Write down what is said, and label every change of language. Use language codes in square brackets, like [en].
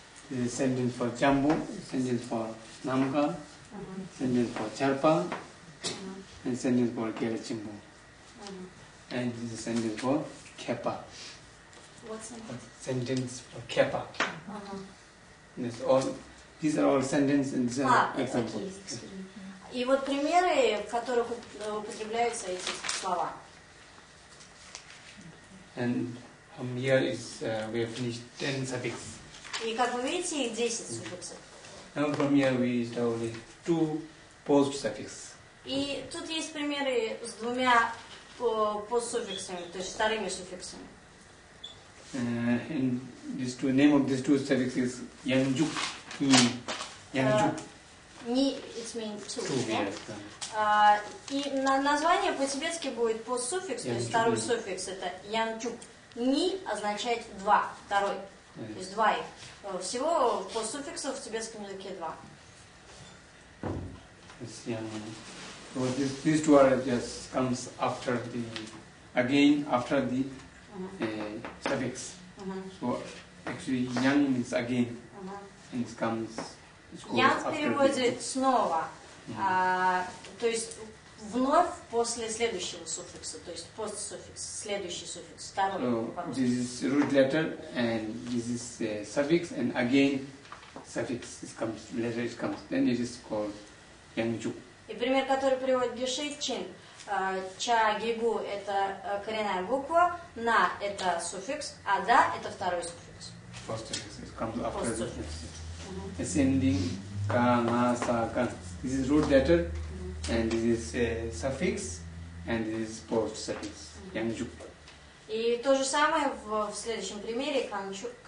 [en] This is a sentence for jambu, sentence for namka, sentence for charpa, and sentence for gelichimbu. And this is a sentence for kepa. What sentence? Sentence for kepa. This all, these are all sentences and these are examples. [ru] И вот примеры, в которых употребляются эти слова. [en] And from here is, we have finished 10 suffixes. [ru] И как вы видите, их 10 суффиксов. [en] And from here we have only 2 post suffixes. [ru] И тут есть примеры с двумя постсуффиксами, то есть вторыми суффиксами. [en] And this two, name of these two suffixes is Yangju. [bo] Yangju. [en] Ни, it means two, yeah? [ru] И название по-тибетски будет постсуффикс, то есть второй суффикс, это янчук. Ни означает два, второй, то есть два их. Всего постсуффиксов в тибетском языке два. [en] So these two are just comes after the, again, after the suffix. So actually, young means again, and it comes. [ru] Ян переводит снова, то есть вновь после следующего суффикса, то есть постсуффикс, следующий суффикс, второй. [en] So, this is root letter and this is suffix and again suffix is comes, letter is comes, then it is called Янчук. [ru] И пример, который приводит Гиши, Чин, Чагибу это коренная буква, На это суффикс, а Да это второй суффикс. [en] Постсуффикс comes after the suffix. Ascending, ka, na, sa, ka. This is root letter, and this is suffix, and this is post suffix. [bo] Yangjuk. [ru] И то же самое в следующем примере канри.